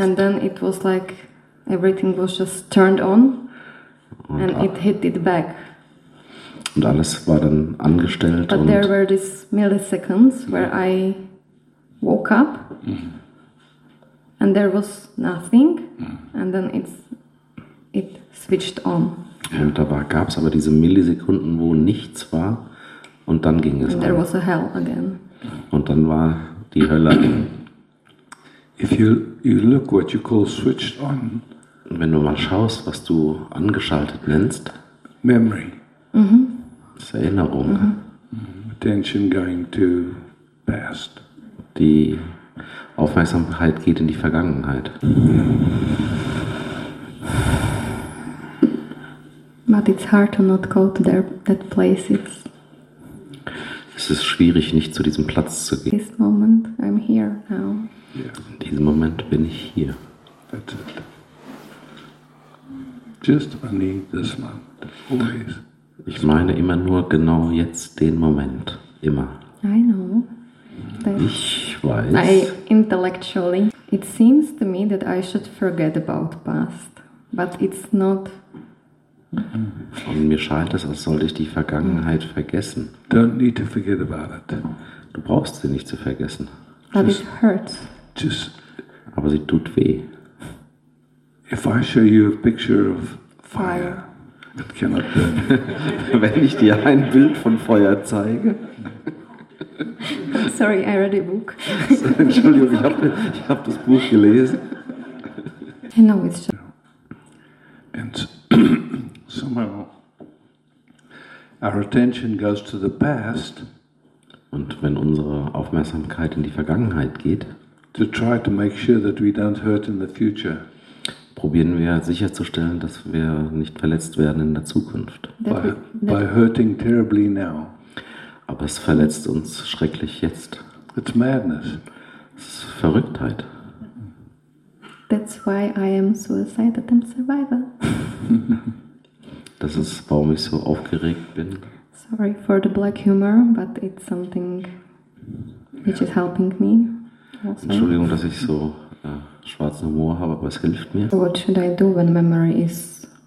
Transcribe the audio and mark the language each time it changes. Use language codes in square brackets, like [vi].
[en] And then it was like everything was just turned on and it hit it back. [de] Und alles war dann angestellt. [en] But there were these milliseconds where I woke up and there was nothing and then it switched on. [de] Und da gab es aber diese Millisekunden, wo nichts war und dann ging es [en] an. There was a hell again. [de] Und dann war die Hölle. [en] If you look what you call switched on. [de] Wenn du mal schaust, was du angeschaltet nennst. [en] Memory. [de] Das ist Erinnerung. [en] Attention going to past. [de] Die Aufmerksamkeit geht in die Vergangenheit. [en] But it's hard to not go to that place. It's [de] es ist schwierig, nicht zu diesem Platz zu gehen. [en] This moment, I'm here now. Yeah. [de] In diesem Moment bin ich hier. [en] That's it. Just only this moment, always. [de] Ich meine immer nur genau jetzt den Moment, immer. [en] I know. [de] Ich weiß. [en] I intellectually, it seems to me that I should forget about past, but it's not. [de] Und mir scheint es, als sollte ich die Vergangenheit vergessen. [en] Don't need to forget about it. [de] Du brauchst sie nicht zu vergessen. [en] But it hurts. Just. [de] Aber sie tut weh. [en] If I show you a picture of fire. It cannot burn. [de] Wenn ich dir ein Bild von Feuer zeige. [en] Sorry, I read a book. [de] Entschuldigung, ich hab das Buch gelesen. [en] I know it's just. And somehow our attention goes to the past. [de] Und wenn unsere Aufmerksamkeit in die Vergangenheit geht. [en] To try to make sure that we don't hurt in the future. [de] Probieren wir sicherzustellen, dass wir nicht verletzt werden in der Zukunft. [en] By hurting terribly now. [de] Aber es verletzt uns schrecklich jetzt. [en] It's madness. [de] Es ist Verrücktheit. [en] That's why I am suicide attempt survivor. [de] Das ist, warum ich so aufgeregt bin. [en] Sorry for the black humor, but it's something which is helping me. [de] Also. Entschuldigung, dass ich so schwarzen Humor habe, aber es hilft mir. [en] What should I do when memory is